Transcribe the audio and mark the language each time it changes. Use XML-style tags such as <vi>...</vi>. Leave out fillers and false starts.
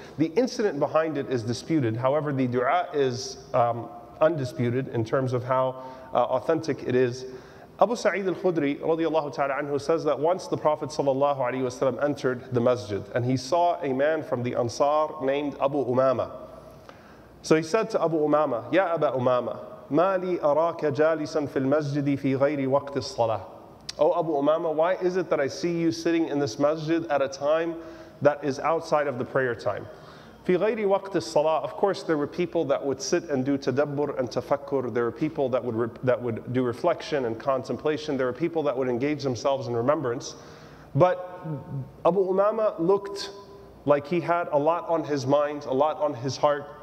<en>The incident behind it is disputed. However, the dua is undisputed in terms of how authentic it is. Abu Sa'id al-Khudri radiallahu ta'ala anhu says that once the Prophet sallallahu alayhi wa sallam entered the masjid and he saw a man from the Ansar named Abu Umama. So he said to</en> <ar>Abu Umama, Ya Aba Umama, ما لي أراك جالسا في المسجد في غير وقت الصلاة.</ar> <en>Oh Abu Umama, why is it that I see you sitting in this masjid at a time that is outside of the prayer time?</en> <ar>في غير وقت الصلاة.</ar> <en>Of course, there were people that would sit and do tadabbur and tafakkur. There were people that would do reflection and contemplation. There were people that would engage themselves in remembrance. But Abu Umama looked like he had a lot on his mind, a lot on his heart.</en>